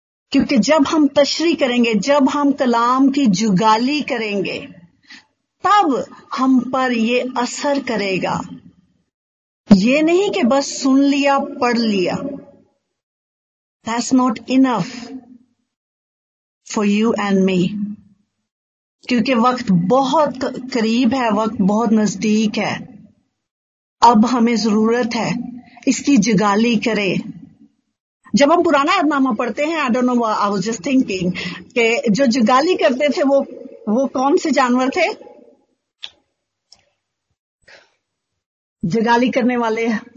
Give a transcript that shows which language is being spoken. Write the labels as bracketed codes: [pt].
[hi] क्योंकि जब हम तशरी करेंगे, जब हम कलाम की जुगाली करेंगे, तब हम पर ये असर करेगा. ये नहीं कि बस सुन लिया पढ़ लिया. [en] That's not enough for you and me. [hi] क्योंकि वक्त बहुत करीब है, वक्त बहुत नजदीक है. अब हमें जरूरत है इसकी जुगाली करें. जब हम पुराना अदनामा पढ़ते हैं, [en] I don't know, I was just thinking [hi] के जो जुगाली करते थे वो कौन से जानवर थे जुगाली करने वाले?